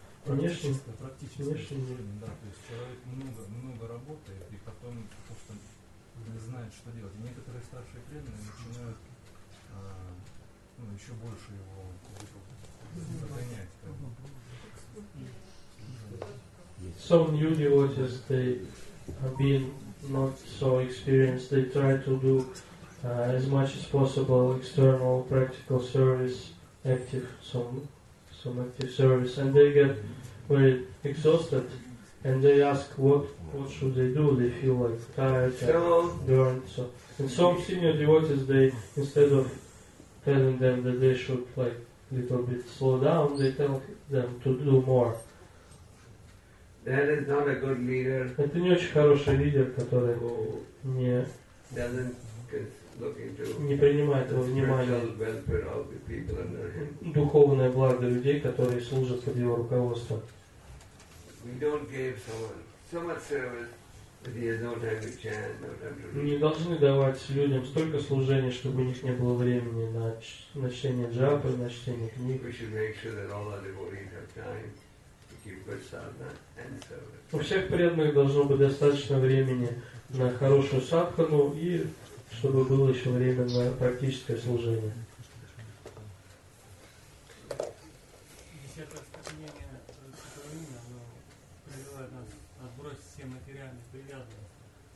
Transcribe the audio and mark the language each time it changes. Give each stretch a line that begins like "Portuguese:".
Russian: практическое служение, да. То есть человек много работает и потом просто не знает, что делать. И некоторые старшие преданные начинают еще больше его загонять. Как бы.
English: Some new devotees, they have been not so experienced, they try to do as much as possible external practical service, active service, and they get very exhausted and they ask what should they do, they feel like tired and burned. So, and some senior devotees, they instead of telling them that they should like a little bit slow down, they tell them to do more. That is not a good leader.
Russian: Это не очень хороший лидер, который не принимает во внимание духовное благо людей, которые служат под его руководством.
English: We don't give someone so much service that he has no time to chant, no time to.
Russian: Мы не должны давать людям столько служения, чтобы у них не было времени на чтение джапы, на чтение книг.
English: We should make sure that all our devotees have time to keep good sadhana and service.
Russian: У всех преданных должно быть достаточно времени на хорошую садхану и чтобы было еще время на практическое служение. Десятое стремление Сатурнина, оно призывает нас отбросить все материальные привязанности.